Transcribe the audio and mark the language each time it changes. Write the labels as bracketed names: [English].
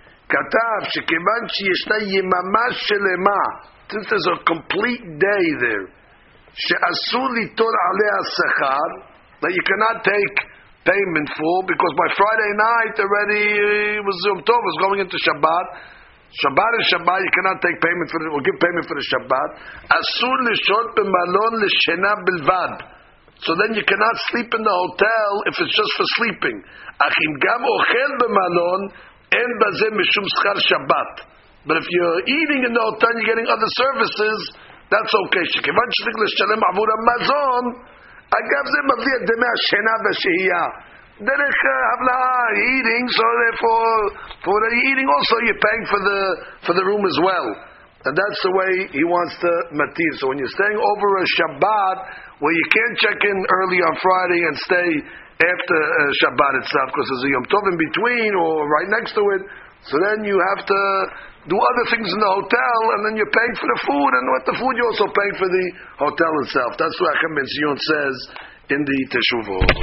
[Hebrew] כתב שכיוון שישנה יממה שלמה, [English] since there's a complete day there, [Hebrew] שאסור ליטול עליה שכר, [English] that you cannot take payment for, because by Friday night already it was going into Shabbat. Shabbat is Shabbat, you cannot take payment for it, or give payment for the Shabbat. [Hebrew] אסור לשהות במלון לשינה בלבד. [English] So then you cannot sleep in the hotel if it's just for sleeping. [Hebrew] אך אם גם אוכל במלון, אין בזה משום שכר שבת. [English] But if you're eating in the hotel and you're getting other services, that's okay. [Hebrew] שכיוון שצריך לשלם עבור המזון, אגב זה מביא את דמי השינה והשהייה. דרך הבלעה, [English] eating, so therefore, for what you're eating also, you're paying for the room as well. And that's the way he wants to matir. So when you're staying over a Shabbat, where you can't check in early on Friday and stay after Shabbat itself, because there's a Yom Tov in between or right next to it, so then you have to do other things in the hotel, and then you're paying for the food, and with the food you're also paying for the hotel itself. That's what Chaim Ben Tzion says in the Teshuvah.